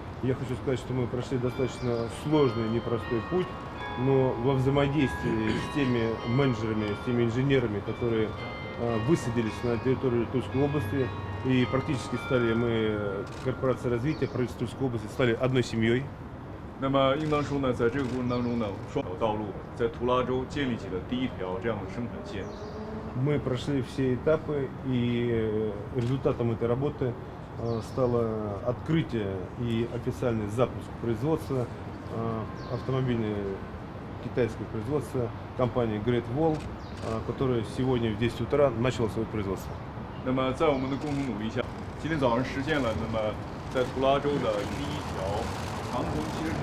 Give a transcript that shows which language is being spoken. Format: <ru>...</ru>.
<ru>Я хочу сказать, что мы прошли достаточно сложный, непростой путь, но во взаимодействии с теми менеджерами, с теми инженерами, которые высадились на территорию Тульской области, и практически стали мы, корпорация развития правительства Тульской области, стали одной семьей.</ru> <zh>那么应当说呢，在这个过程当中呢，双桥道路在图拉州建立起了第一条这样的生产线。</zh> <ru>Мы прошли все этапы, и результатом этой работы стало открытие и официальный запуск производства автомобильного китайского производства компании Great Wall, которая сегодня в 10 утра начала свое производство.</ru> <zh>那么在我们的共同努力下，今天早上实现了那么在图拉州的第一条。</zh>